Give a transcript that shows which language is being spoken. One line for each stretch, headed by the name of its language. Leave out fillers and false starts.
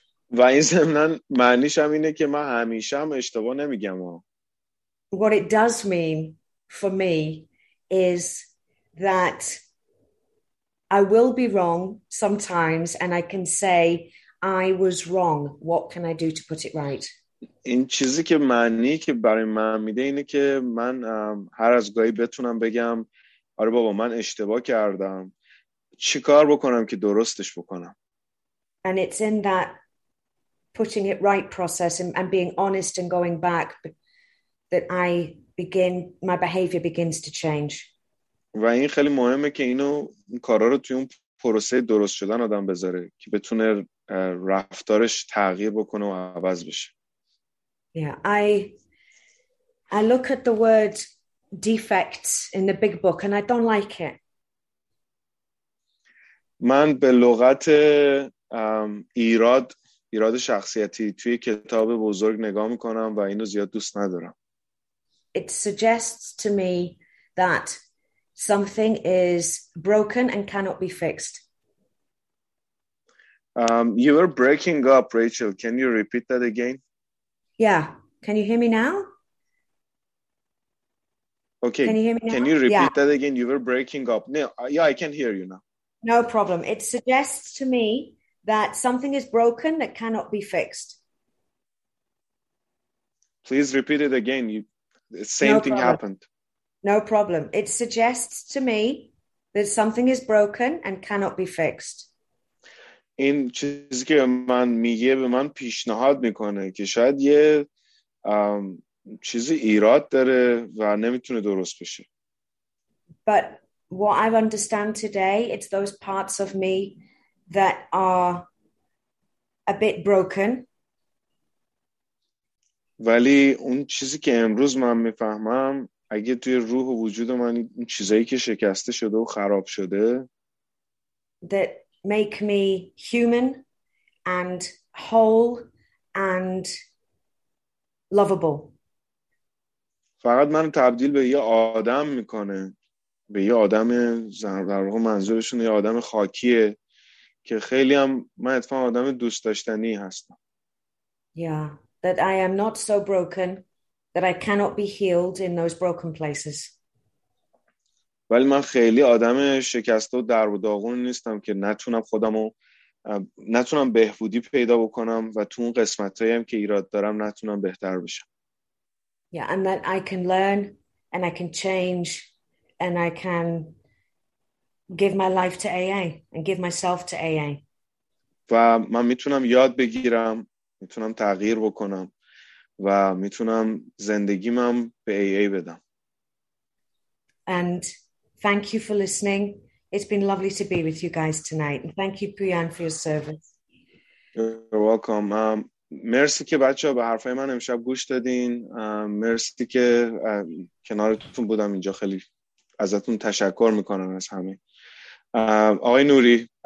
Persian: و این ضمناً معنیش هم اینه که من همیشه هم اشتباه نمیگم.
English: What it does mean for me is that I will be wrong sometimes and I can say I was wrong. What can I do to put it right?
Persian: این چیزی که معنی که برای من میده اینه که من هر از گاهی بتونم بگم آره بابا من اشتباه کردم. چی کار بکنم که درستش بکنم؟
English: And it's in that putting it right process and being honest and going back that I begin my behavior begins to change.
Persian: و این خیلی مهمه که اینو کارا رو توی اون پروسه درست شدن آدم بذاره که بتونه رفتارش تغییر بکنه و عوض بشه.
English: Yeah, I look at the word defects in the big book and I don't like it.
Persian: من به لغت ایراد شخصیتی توی کتاب بزرگ نگاه میکنم و اینو زیاد دوست ندارم.
English: It suggests to me that something is broken and cannot be fixed. You were breaking up, Rachel. Can you repeat that again? Yeah. Can you hear me now? Okay. Can you hear me now? Can you repeat that again? You were breaking up. No, yeah, I can hear you now. No problem. It suggests to me that something is broken that cannot be fixed. Please repeat it again. The same thing happened. No problem. It suggests to me that something is broken and cannot be fixed.
Persian: این چیزی که من میگه به من پیشنهاد میکنه که شاید یه چیزی ایراد داره و نمیتونه درست بشه.
English: But what I understand today, it's those parts of me that are a bit broken.
Persian: ولی اون چیزی که امروز من میفهمم، اگه توی روح و وجود من اون چیزایی که شکسته شده و خراب شده،
English: that make me human and whole and lovable.
Persian: فقط منو تبدیل به یه آدم میکنه، به یه آدم در واقع منظورشون یه آدم خاکیه که خیلی هم من اتفاقا آدم دوست داشتنی هستم.
English: Yeah, that I am not so broken that I cannot be healed in those broken places.
Persian: ولی من خیلی آدم شکسته و درب و داغون نیستم که نتونم خودمو نتونم بهبودی پیدا بکنم و تو اون قسمتایی هم که ایراد دارم نتونم بهتر بشم.
English: Yeah, and that I can learn and I can change and I can give my life to AA and give myself to AA.
Persian: و من میتونم یاد بگیرم، میتونم تغییر بکنم و میتونم زندگیمم به AA بدم.
English: And thank you for listening. It's been lovely to be with you guys tonight. And thank you, Priyan, for your service. You're welcome.
Persian: مرسی که بچه ها به حرفای من امشب گوش دادین. مرسی که کنارتون بودم اینجا. خیلی ازتون تشکر میکنم از همه. آقای نوری.